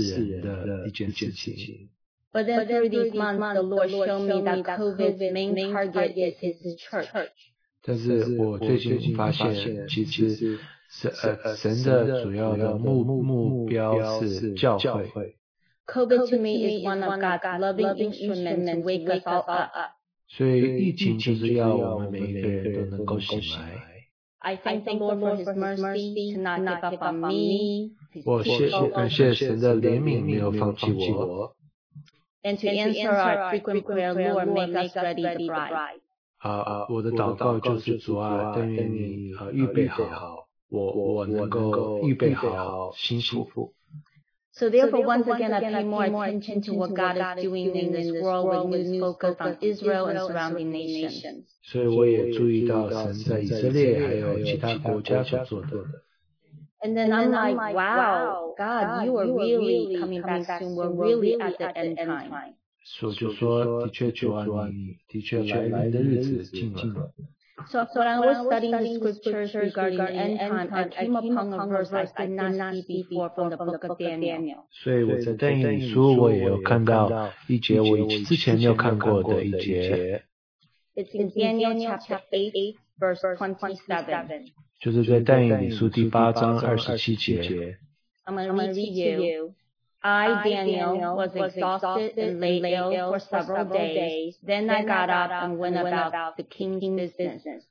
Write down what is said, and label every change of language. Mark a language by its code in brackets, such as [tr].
[zh] 所以我一直以为说这个疫情就是神这个审判世人的一件事情。 [en] But then through these months, the Lord showed me that COVID's main target is His church. [zh] 但是我最近发现，其实神的主要的目标是教会。 [en] COVID to me is one of God's loving instruments to wake us all up. [zh] 所以疫情就是要我们每一个人都能够醒来。 [en] I thank the Lord for His mercy to not give up on me. [zh] 我感谢神的怜悯没有放弃我。 [en] And to answer our frequent prayer, Lord, make us ready the bride. [zh] 好，我的祷告就是主啊，但愿你预备好我，我能够预备好新媳妇。 [en] So therefore, once again, I pay more attention to what God is doing in this world with new focus on Israel and surrounding nations. [zh] 所以我也注意到神在以色列还有其他国家所做的。 [en] And then I'm like, wow, God, you are really coming back soon. We're really at the end time. [zh] 所以就说，的确主啊，你的确来的日子近了。 [en] So when I was studying the scriptures regarding the end time, I came upon a verse I did not see before from the book of Daniel. [zh] 所以我在但以理书我也有看到一节我之前没有看过的一节。 [en] It's in Daniel chapter 8, verse 27. [zh] 就是在但以理书第八章二十七节。 [en] I'm going to read to you. I, Daniel, was exhausted and lay ill for several days. Then I got up and went about the king's business.